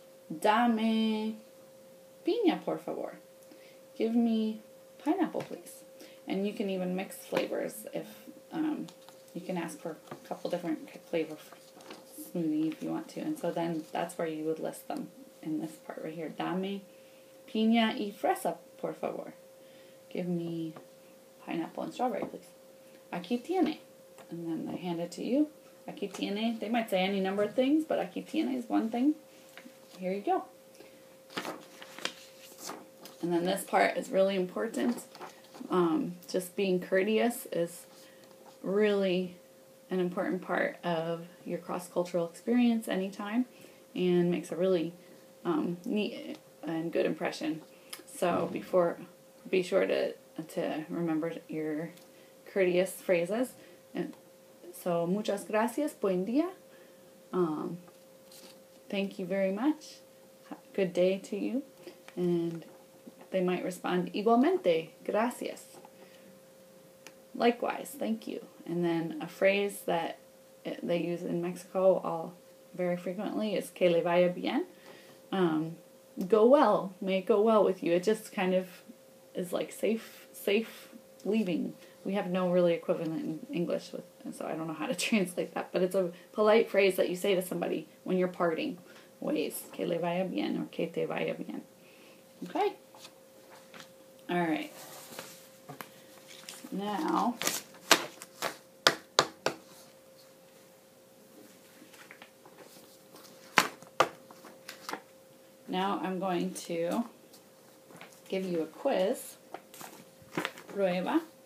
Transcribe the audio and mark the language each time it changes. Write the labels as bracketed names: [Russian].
[Spanish] Dame piña, por favor. [English] Give me pineapple, please. And you can even mix flavors if you can ask for a couple different flavor smoothie if you want to. And so then that's where you would list them in this part right here. [Spanish] Dame piña y fresa, por favor. [English] Give me pineapple and strawberry, please. [Spanish] Aquí tiene. [English] And then I hand it to you. Aquí tiene, they might say any number of things, but aquí tiene is one thing. Here you go. And then this part is really important. Just being courteous is really an important part of your cross-cultural experience anytime, and makes a really neat and good impression. So before, be sure to remember your courteous phrases. [Spanish] So, muchas gracias, buen día. [English] Thank you very much. Good day to you. And they might respond, [Spanish] igualmente, gracias. [English] Likewise, thank you. And then a phrase that they use in Mexico all very frequently is [Spanish] que le vaya bien. [English] go well. May it go well with you. It just kind of is like safe leaving. We have no really equivalent in English, so I don't know how to translate that. But it's a polite phrase that you say to somebody when you're parting ways. [Spanish] Que le vaya bien or que te vaya bien. [English] Okay? All right. Now, I'm going to give you a quiz. Prueba.